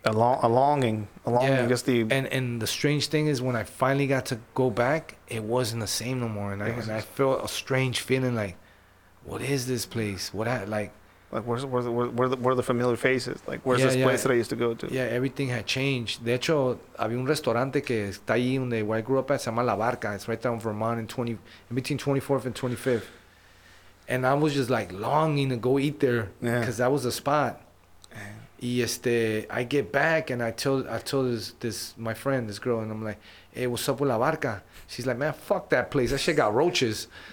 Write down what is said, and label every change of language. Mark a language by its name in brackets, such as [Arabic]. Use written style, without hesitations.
[English] A longing. Just the... And the strange thing is when I finally got to go back, it wasn't the same no more. And I felt a strange feeling like, what is this place? Where are the familiar faces? Like, where's place that I used to go to? Yeah, everything had changed. [Spanish] De hecho, había un restaurante que está ahí donde [English] I grew up at. [Spanish] Se llama La Barca. [English] It's right down in Vermont in between 24th and 25th. And I was just like longing to go eat there because that was the spot. I get back and I told this my friend, this girl, and I'm like, hey, what's up with La Barca? She's like, man, fuck that place. That shit got roaches.